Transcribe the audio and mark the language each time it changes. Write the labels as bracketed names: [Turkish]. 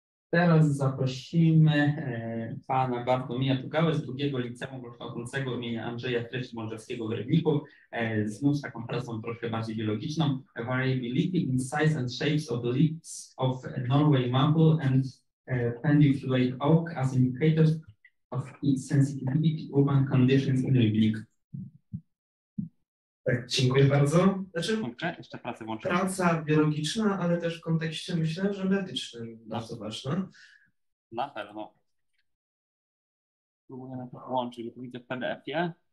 [Polish] Teraz zaprosimy pana Bartłomieja Pugałę z drugiego liceum kształcącego imienia Andrzeja Treszcz-Mądrzewskiego w Rybniku. Znów taką pracą troszkę bardziej biologiczną. [English] Variability in size and shapes of the leaves of Norway maple and pendulate oak as indicators of its sensitivity to urban conditions in Rybnik. [Polish] Tak, dziękuję bardzo. Znaczy, okay, jeszcze pracę włączę. Praca biologiczna, ale też w kontekście myślę, że medycznym bardzo ważna. Na pewno. Próbuję na to włączyć, bo widzę w PDF-ie.